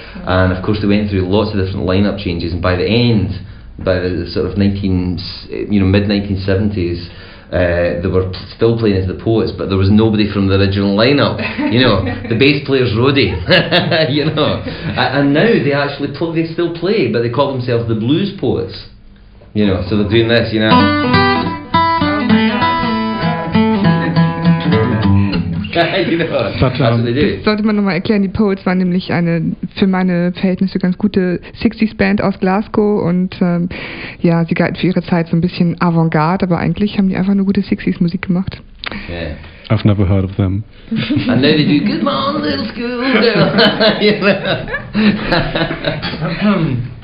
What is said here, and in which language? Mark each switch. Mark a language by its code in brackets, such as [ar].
[en] And of course, they went through lots of different lineup changes. And by the end, by the sort of mid-1970s, they were still playing as The Poets, but there was nobody from the original lineup. You know, the bass player's roadie. You know, and now they still play, but they call themselves the Blues Poets. You know, so they're doing this, you know. [de] Sollte man nochmal erklären, die Poets waren nämlich eine für meine Verhältnisse ganz gute 60s-Band aus Glasgow und sie galten für ihre Zeit so ein bisschen Avantgarde, aber eigentlich haben die einfach nur gute 60s-Musik gemacht. [en] Yeah. I've never heard of them. And now they do good morning, little school girl.